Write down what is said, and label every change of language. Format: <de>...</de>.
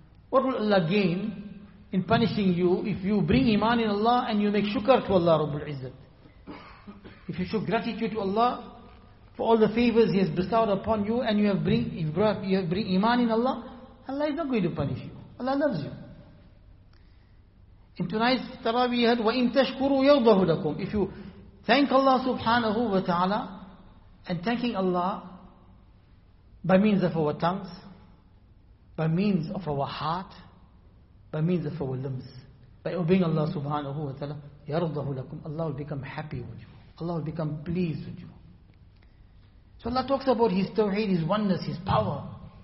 <en>What will Allah gain in punishing you if you bring iman in Allah and you make shukr to Allah Rabbul Izzat? If you show gratitude to Allah for all the favors He has bestowed upon you and you have bring iman in Allah, Allah is not going to punish you. Allah loves you. In tonight's Taraweeh,</en> <ar>وَإِن تَشْكُرُوا يَرْضَهُ لَكُمْ.</ar> <en>If you thank Allah subhanahu wa ta'ala, and thanking Allah by means of our tongues, by means of our heart, by means of our limbs, by obeying Allah subhanahu wa ta'ala,</en> <ar>يَرْضَهُ لَكُمْ.</ar> <en>Allah will become happy with you. Allah will become pleased with you. So Allah talks about His tawheed, His oneness, His power.</en>